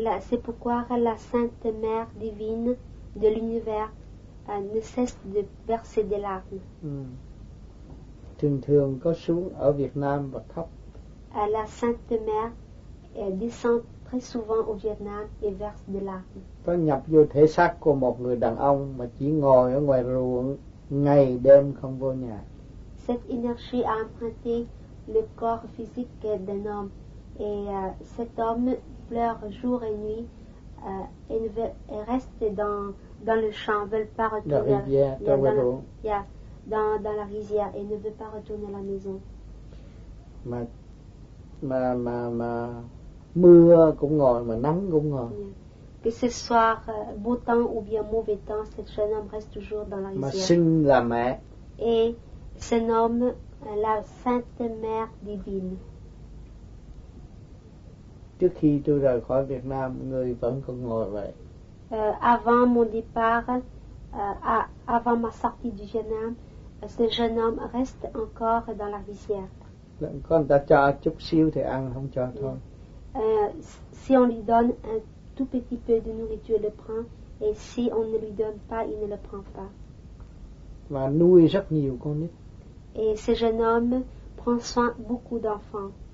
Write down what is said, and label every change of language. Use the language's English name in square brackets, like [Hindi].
[French] C'est pourquoi la Sainte Mère divine de l'univers ne cesse de verser des larmes. [Vietnamese] Thường thường có xuống ở Việt Nam và khóc. [French] La Sainte Mère descend très souvent au Việt Nam et verse des larmes. [Vietnamese] Có nhập vô thể xác của một người đàn ông mà chỉ ngồi ở ngoài ruộng ngày đêm không vô nhà. [French] Cette énergie a emprunté le corps physique d'un homme et cet homme pleure jour et nuit et reste dans le champ, ne veut pas retourner dans la rizière et ne veut pas retourner à la maison. [Vietnamese] Mà mưa cũng ngồi, mà nắng cũng ngồi. [French] Que ce soit beau temps ou bien mauvais temps, cet jeune homme reste toujours dans la rizière. [Vietnamese] Mà sinh là mẹ. [French] Et ce homme la Sainte Mère divine. [Vietnamese] Trước khi tôi rời khỏi Việt Nam, người vẫn còn ngồi vậy. [French] Avant mon départ, avant ma sortie du Vietnam, ce jeune homme reste encore dans la rizière. [Vietnamese] Có người ta cho chút xíu thì ăn, không cho thôi. [French] Si on lui donne un tout petit peu de nourriture, il le prend. Et si on ne lui donne pas, il ne le prend pas. [Vietnamese] Mà nuôi rất nhiều con nít. [French] Et ce jeune homme prend soin beaucoup d'enfants.